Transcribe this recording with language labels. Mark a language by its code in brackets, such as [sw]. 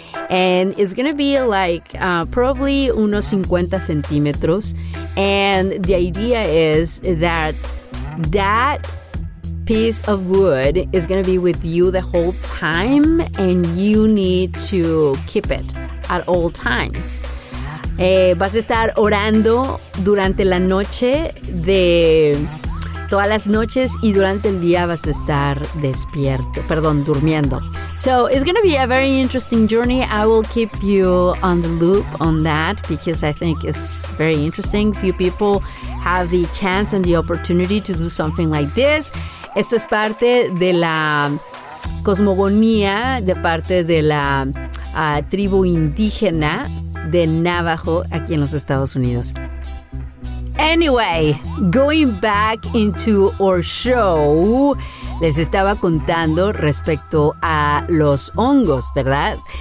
[en] And it's going to be like probably [es] unos 50 centímetros. [en] And the idea is that piece of wood is going to be with you the whole time, and you need to keep it at all times. [es] Vas a estar orando durante la noche de todas las noches, y durante el día vas a estar despierto, perdón, durmiendo. [en] So it's going to be a very interesting journey. I will keep you on the loop on that because I think it's very interesting. Few people have the chance and the opportunity to do something like this. [es] Esto es parte de la cosmogonía de parte de la tribu indígena de Navajo aquí en los Estados Unidos. [en] Anyway, going back into our show, [es] les estaba contando respecto a los hongos, ¿verdad?